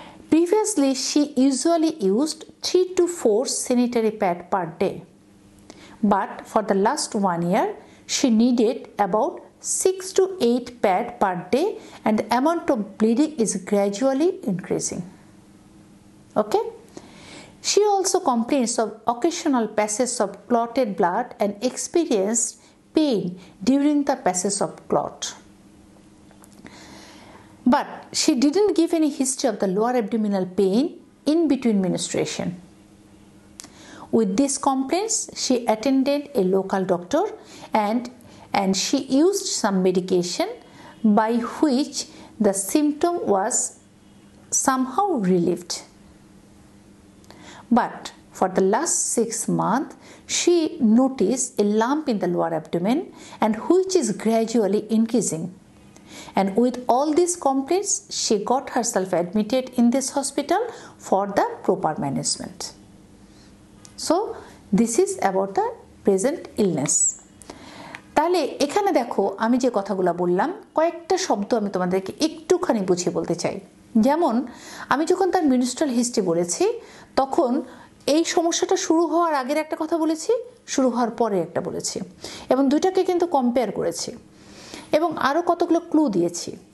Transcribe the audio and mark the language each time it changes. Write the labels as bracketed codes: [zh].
[en] Previously she usually used 3-4 sanitary pad per day but for the last 1 year she needed about 6-8 pad per day and the amount of bleeding is gradually increasing okay She also complains of occasional passes of clotted blood and experienced pain during the passes of clot. But she didn't give any history of the lower abdominal pain in between menstruation. With these complaints, she attended a local doctor and she used some medication by which the symptom was somehow relieved. But for the last 6 months, she noticed a lump in the lower abdomen and which is gradually increasing. And with all these complaints, she got herself admitted in this hospital for the proper management. So, this is about the present illness. So, [bn] তাহলে এখানে দেখো আমি যে কথাগুলো বললাম কয়েকটা শব্দ আমি তোমাদেরকে একটুখানি বুঝিয়ে বলতে চাই। যেমন আমি যখন তার মিনিস্ট্রাল হিস্ট্রি বলেছি তখন এই সমস্যাটা শুরু হওয়ার আগের একটা কথা বলেছি, শুরু হওয়ার পরে একটা বলেছি, এবং দুইটাকে কিন্তু কম্পেয়ার করেছি এবং আরও কতগুলো ক্লু দিয়েছি।